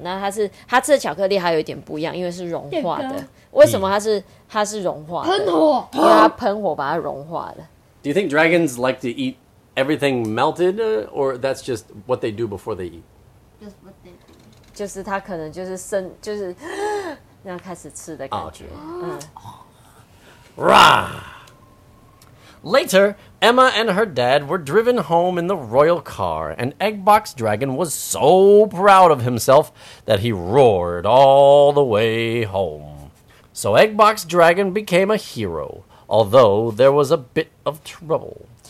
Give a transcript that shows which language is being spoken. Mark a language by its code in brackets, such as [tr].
[zh] 那它吃的巧克力还有一点不一样，因为是融化的。为什么它是融化的？喷火，因为它喷火把它融化的。 [en] Do you think dragons like to eat everything melted, or that's just what they do before they eat? [zh] 就是他可能就是生就是然后开始吃的感觉、 Rah! [en] Later, Emma and her dad were driven home in the royal car and Eggbox Dragon was so proud of himself that he roared all the way home. So Eggbox Dragon became a hero, although there was a bit of trouble.